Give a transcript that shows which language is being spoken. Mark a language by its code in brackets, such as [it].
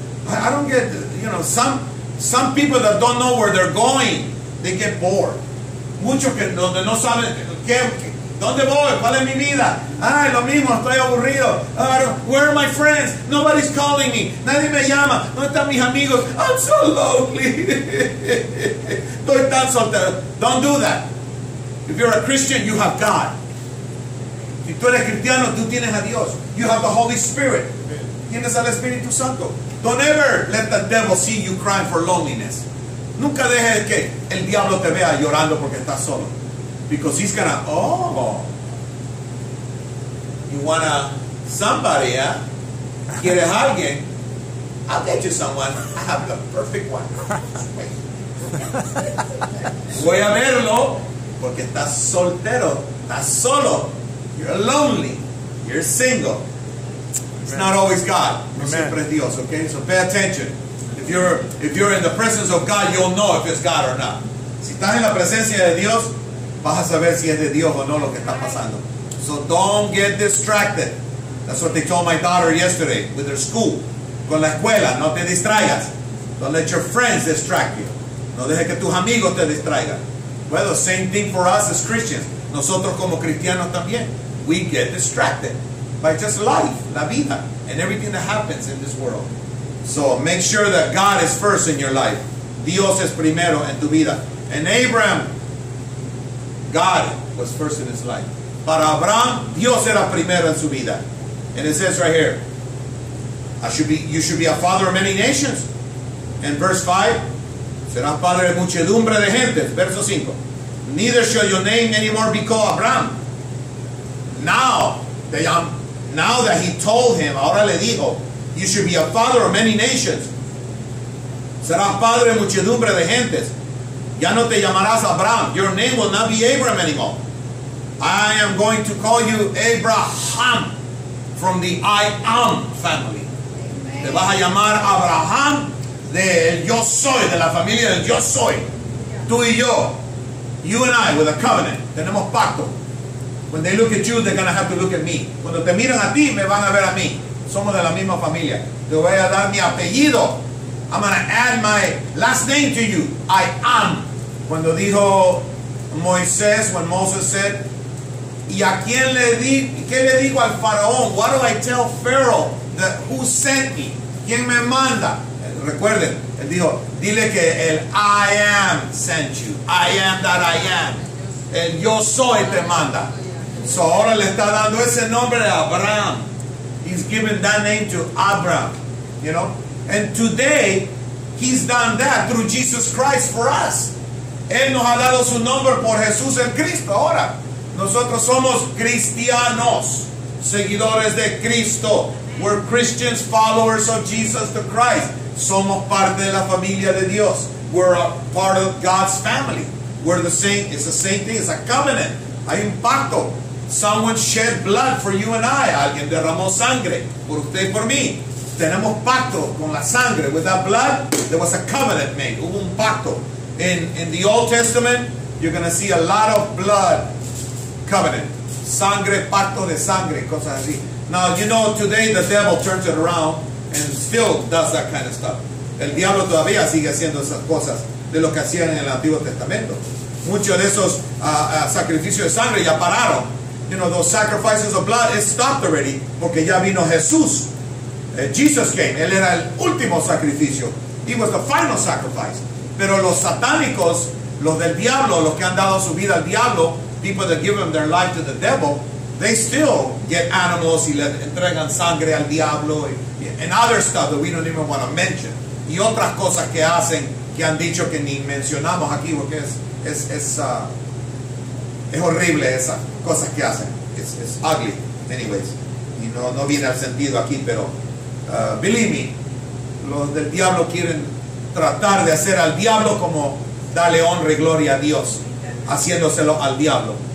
[en] I don't get, you know, some people that don't know where they're going, they get bored. [es] Muchos que donde no saben qué, ¿dónde voy? ¿Cuál es mi vida? Ay, lo mismo, estoy aburrido. [en] Where are my friends? Nobody's calling me. [es] Nadie me llama. ¿Dónde están mis amigos? [en] I'm so lonely. [es] Estoy tan soltero. [en] Don't do that. If you're a Christian, you have God. [es] Si tú eres cristiano, tú tienes a Dios. [en] You have the Holy Spirit. [es] Tienes al Espíritu Santo. [en] Don't ever let the devil see you crying for loneliness. [es] Nunca dejes que el diablo te vea llorando porque estás solo. [en] Because he's gonna, oh, you wanna somebody, eh? [es] Quieres alguien? [en] I'll get you someone. I have the perfect one. [es] Voy a verlo porque estás soltero, estás solo. [en] You're lonely. You're single. It's not always God. [es] No siempre es Dios, okay? [en] So pay attention. If you're in the presence of God, you'll know if it's God or not. [es] Si estás en la presencia de Dios, vas a saber si es de Dios o no lo que está pasando. [en] So don't get distracted. That's what they told my daughter yesterday with her school. [es] Con la escuela, no te distraigas. [en] Don't let your friends distract you. [es] No dejes que tus amigos te distraigan. [en] Well, the same thing for us as Christians. [es] Nosotros como cristianos también. [en] We get distracted by just life, [es] la vida, [en] and everything that happens in this world. So make sure that God is first in your life. [es] Dios es primero en tu vida. [en] And Abraham, God was first in his life. [es] Para Abraham, Dios era primero en su vida. [en] And it says right here, you should be a father of many nations. And verse 5, [es] serás padre de muchedumbre de gentes. [en] Verso 5, neither shall your name anymore be called Abraham. Now that he told him, [es] ahora le dijo, [en] you should be a father of many nations. [es] Serás padre de muchedumbre de gentes. Ya no te llamarás Abraham. [en] Your name will not be Abraham anymore. I am going to call you Abraham from the I Am family. Amen. [es] Te vas a llamar Abraham del Yo Soy, de la familia del Yo Soy. Tú y yo. [en] You and I with a covenant. [es] Tenemos pacto. [en] When they look at you, they're going to have to look at me. [es] Cuando te miran a ti, me van a ver a mí. Somos de la misma familia. Te voy a dar mi apellido. [en] I'm going to add my last name to you. I am. [es] Cuando dijo Moisés, [en] when Moses said, [es] ¿y a quién le di? ¿Qué le digo al faraón? [en] What do I tell Pharaoh that who sent me? [es] ¿Quién me manda? Recuerden, él dijo, dile que el [en] I am sent you. I am that I am. [es] El yo soy te manda. So ahora le está dando ese nombre de Abraham. [en] He's given that name to Abraham. You know? And today, he's done that through Jesus Christ for us. [es] Él nos ha dado su nombre por Jesús el Cristo. Ahora, nosotros somos cristianos, seguidores de Cristo. [en] We're Christians, followers of Jesus the Christ. [es] Somos parte de la familia de Dios. [en] We're a part of God's family. We're the same. It's the same thing. It's a covenant. [es] Hay un pacto. [en] Someone shed blood for you and I. [es] Alguien derramó sangre por usted y por mí. Tenemos pacto con la sangre. [en] With that blood, there was a covenant made. [es] Hubo un pacto. [en] In the Old Testament, you're going to see a lot of blood covenant. [es] Sangre, pacto de sangre, cosas así. [en] Now, you know, today the devil turns it around and still does that kind of stuff. [es] El diablo todavía sigue haciendo esas cosas de lo que hacían en el Antiguo Testamento. Muchos de esos sacrificios de sangre ya pararon. [en] You know, those sacrifices of blood, it stopped already [es] porque ya vino Jesús. [en] Jesus came. [es] Él era el último sacrificio. [en] He was the final sacrifice. [es] Pero los satánicos, los del diablo, los que han dado su vida al diablo, [en] people that give them their life to the devil, they still get animals [es] y le entregan sangre al diablo [en] and other stuff that we don't even want to mention. [es] Y otras cosas que hacen que han dicho que ni mencionamos aquí porque es horrible esas cosas que hacen. [en] It's ugly. [es] Anyways, y no viene al sentido aquí, pero [en] believe me, [es] los del diablo quieren tratar de hacer al diablo como darle honra y gloria a Dios, haciéndoselo al diablo.